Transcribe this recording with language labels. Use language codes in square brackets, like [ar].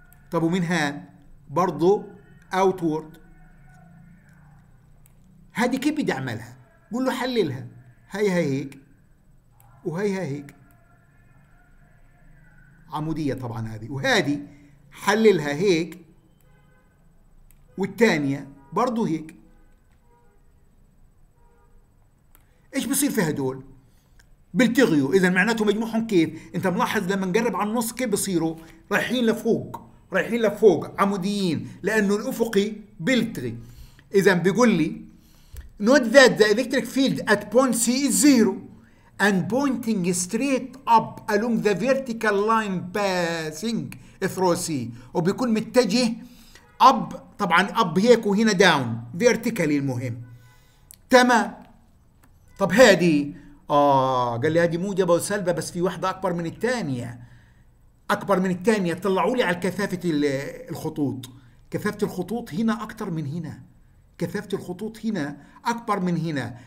[ar] طب ومن هان برضو outward، هذه كيف بدي اعملها؟ قول له حللها، هيها هيك وهيها هيك، عمودية طبعا هذه، وهذه حللها هيك والتانية برضو هيك. ايش بصير في هدول؟ بلتغيوا. اذا معناته مجموعهم كيف؟ انت ملاحظ لما نقرب على النص كيف بصيروا؟ رايحين لفوق، رايحين لفوق، عموديين، لانه الافقي بلتغي. اذا بيقول لي [en] not that the electric field at point C is zero and pointing straight up along the vertical line passing through C، [ar] وبيكون متجه اب، طبعا اب هيك وهنا داون فيرتيكالي. المهم تمام. طب هذه قال لي هذه موجبه وسلبه، بس في واحده اكبر من الثانيه، اكبر من الثانيه. طلعوا لي على كثافه الخطوط، كثافه الخطوط هنا اكثر من هنا، كثافه الخطوط هنا اكبر من هنا.